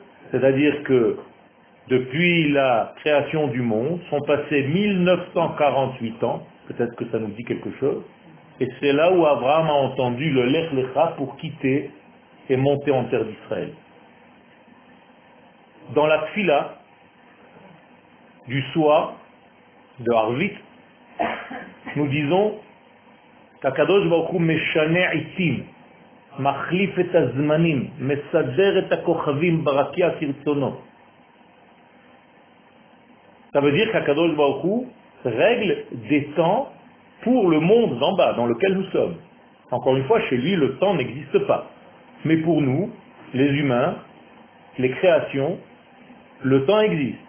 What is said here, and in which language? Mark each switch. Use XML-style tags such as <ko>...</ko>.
<fr>C'est-à-dire que depuis la création du monde, sont passés 1948 ans, peut-être que ça nous dit quelque chose, et c'est là où Abraham a entendu le Lech Lecha pour quitter et monter en terre d'Israël. Dans la tfila du soir de Arvit, nous disons « Kakadosh Baruch Hu Meshaneh Itim »</fr> <he>מחליף את הזמנים, מסדר את הכוכבים ברקיע כרצונו.</he> <fr>Ça veut dire qu'Akadosh Baruch Hu règle des temps pour le monde d'en bas, dans lequel nous sommes. Encore une fois, chez lui, le temps n'existe pas. Mais pour nous, les humains, les créations, le temps existe.</fr>